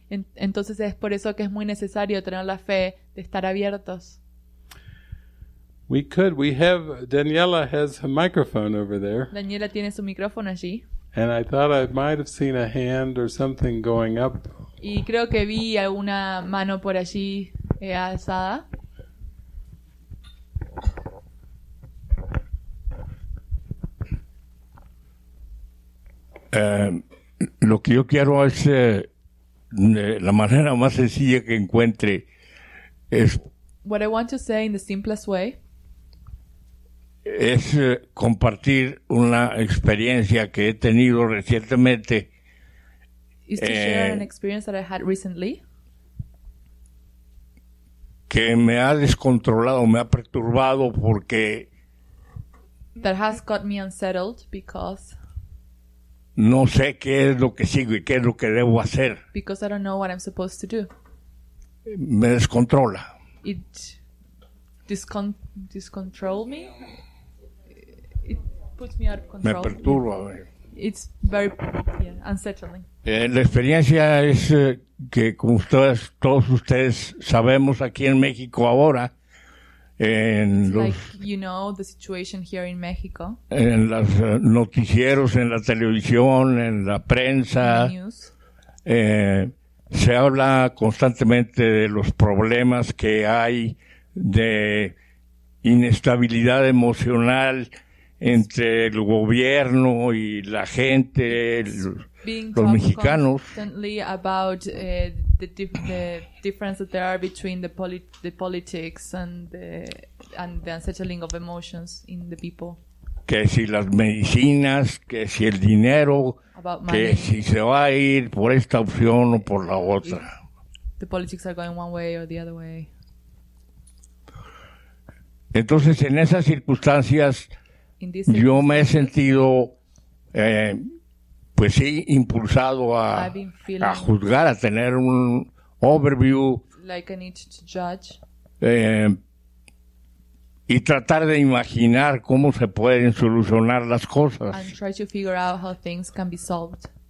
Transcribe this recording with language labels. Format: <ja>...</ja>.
<es>Entonces es por eso que es muy necesario tener la fe de estar abiertos.</es> <en>We could. We have, Daniela has a microphone over there.</en> <es>Daniela tiene su micrófono allí.</es> <en>And I thought I might have seen a hand or something going up.</en> <es>Y creo que vi alguna mano por allí alzada. Lo que yo quiero es, la manera más sencilla que encuentre es...</es> <en>What I want to say in the simplest way...</en> <es>Es compartir una experiencia que he tenido recientemente.</es> <en>Is to share an experience that I had recently.</en> <es>Que me ha descontrolado, me ha perturbado porque...</es> <en>That has got me unsettled because...</en> <es>No sé qué es lo que sigo y qué es lo que debo hacer.</es> <en>Because I don't know what I'm supposed to do.</en> <es>Me descontrola.</es> <en>It discontrol me? It puts me out of control.</en> <es>Me perturba.</es> <en>It's very unsettling.</en> <es>La experiencia es que como ustedes, todos ustedes sabemos aquí en México ahora, en los,</es> <en>like, you know, the situation here in Mexico.</en> <es>En los noticieros, en la televisión, en la prensa, se habla constantemente de los problemas que hay de inestabilidad emocional entre el gobierno y la gente, los mexicanos.</es> <en>Constantly about the difference that there are between the politics and the unsettling of emotions in the people.</en> <es>Que si las medicinas, que si el dinero, que si se va a ir por esta opción o por la otra.</es> <en>If the politics are going one way or the other way.</en> <es>Entonces, en esas circunstancias, yo me he sentido, pues sí, impulsado a juzgar, a tener un overview.</es> <en>Like I need to judge.</en> <es>Y tratar de imaginar cómo se pueden solucionar las cosas.</es> <en>And try to figure out how things can be solved.</en>